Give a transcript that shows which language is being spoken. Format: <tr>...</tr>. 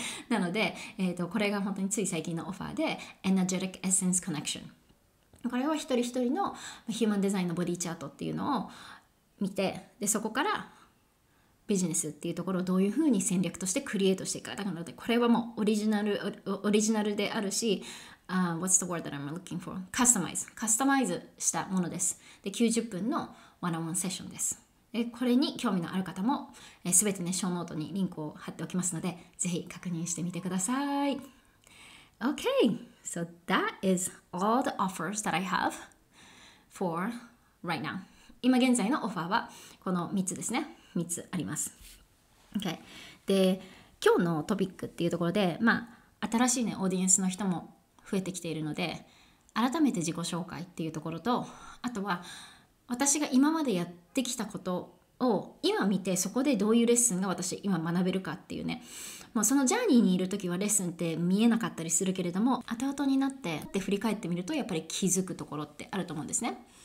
<ja>なので、これが本当につい最近のオファーで Energetic Essence Connectionこれは一人一人のヒューマンデザインのボディチャートっていうのを見て、でそこからビジネスっていうところをどういうふうに戦略としてクリエイトしていくか。だからこれはもうオリジナルであるし、</ja> <en>What's the word that I'm looking for?</en> <ja>カスタマイズしたものです。で90分のワンオンセッションです。でこれに興味のある方も、全てねショーノートにリンクを貼っておきますので、ぜひ確認してみてください。</ja> <en>Okay, so that is all the offers that I have for right now.</en> <ja>今現在のオファーはこの3つですね。 3つあります。Okay. で、今日のトピックっていうところで、まあ、新しいね、オーディエンスの人も増えてきているので、改めて自己紹介っていうところと、あとは私が今までやってきたことを今見て、そこでどういうレッスンが私今学べるかっていうね、もうそのジャーニーにいる時はレッスンって見えなかったりするけれども、後々になってで振り返ってみるとやっぱり気づくところってあると思うんですね。</ja>